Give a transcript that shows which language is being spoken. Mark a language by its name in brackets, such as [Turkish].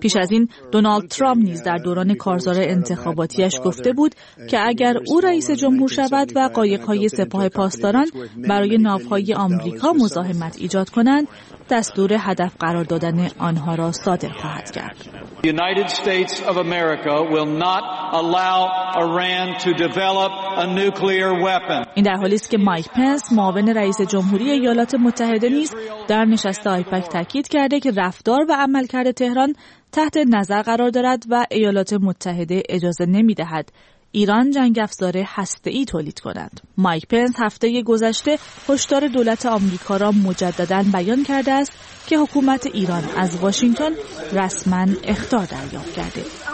[Persian] پیش از این دونالد ترامپ نیز در دوران کارزار انتخاباتیش گفته بود که اگر او رئیس جمهور شود و قایق‌های سپاه پاسداران برای ناوهای آمریکا مزاحمت ایجاد کنند، دستور هدف قرار دادن آنها را صادر خواهد کرد. [English] The United States of America will not allow Iran to develop a nuclear weapon. [Persian] این در حالی است که مایک پنس، معاون رئیس جمهوری ایالات متحده نیز در نشست آیپک تاکید کرده که رفتار و عملکرد تهران تحت نظر قرار دارد و ایالات متحده اجازه نمی‌دهد ایران جنگ افزار هسته‌ای تولید کند. مایک پنس هفته گذشته هشدار دولت آمریکا را مجدداً بیان کرده است که حکومت ایران از واشنگتن رسماً اخطار دریافت کرده.